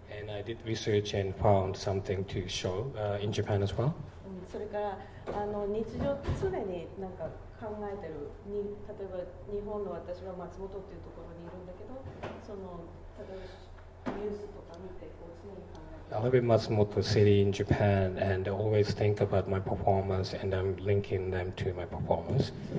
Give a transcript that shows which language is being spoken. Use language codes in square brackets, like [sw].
[en] And I did research and found something to show in Japan as well. [ja] それから日常常になんか考えてる、例えば日本の私は松本っていうところにいるんだけど、その例えばニュースとか見てこう常に考えてる。 [en] I live in Matsumoto City in Japan and always think about my performance and I'm linking them to my performance.